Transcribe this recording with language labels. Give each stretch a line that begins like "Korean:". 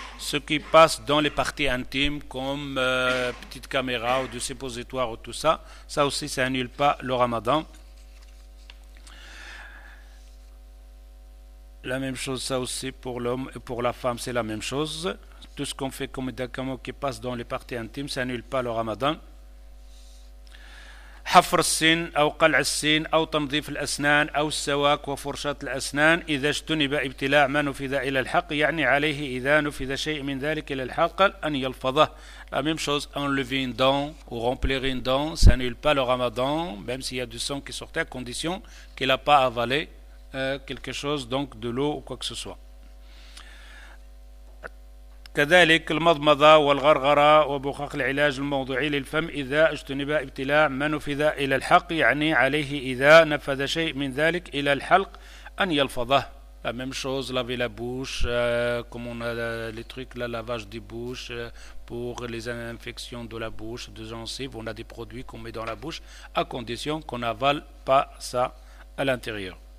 French: Ce qui passe dans les parties intimes comme petite caméra ou du suppositoire ou tout ça, ça aussi ça annule pas le Ramadan. La même chose ça aussi pour l'homme et pour la femme, c'est la même chose. Tout ce qu'on fait comme médicament qui passe dans les parties intimes, ça annule pas le Ramadan.
Arabic: حفر السن أو قلع السن أو تنظيف الأسنان أو السواك وفرشاة الأسنان إذا اجتنب ابتلاع ما نفذ إلى الحق يعني عليه إذا نفذ شيء من ذلك إلى الحق أن يلفظه.
French: La même chose, enlever une dent ou remplir une dent, ça n'annule pas le ramadan, même s'il y a du sang qui sortait, à condition qu'il n'a pas avalé quelque chose, donc de l'eau ou quoi que ce soit.
Arabic: كذلك المضمضة والغرغرة وبخاخ العلاج الموضعي للفم إذا اجتنب ابتلاع ما نفذ إلى الحلق يعني عليه إذا نفذ شيء من ذلك إلى الحلق أن يلفظه.
French: La même chose, laver la bouche, comme on a les trucs, le lavage des bouches pour les infections de la bouche, des gencives, on a des produits qu'on met dans la bouche à condition qu'on n'avale pas ça à l'intérieur.